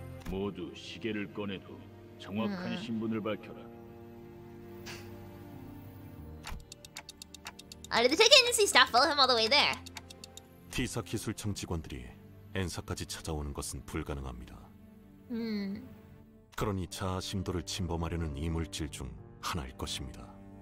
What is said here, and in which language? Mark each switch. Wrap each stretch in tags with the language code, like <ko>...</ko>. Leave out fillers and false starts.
<ko>모두 시계를 꺼내도 정확한 신분을 밝혀라.</ko> <en>Did the tech agency staff follow him all the way there?</en> <ko>티사 기술청 직원들이 엔사까지 찾아오는 것은 불가능합니다. 그러니 자아 심도를 침범하려는 이물질 중 하나일 것입니다.</ko>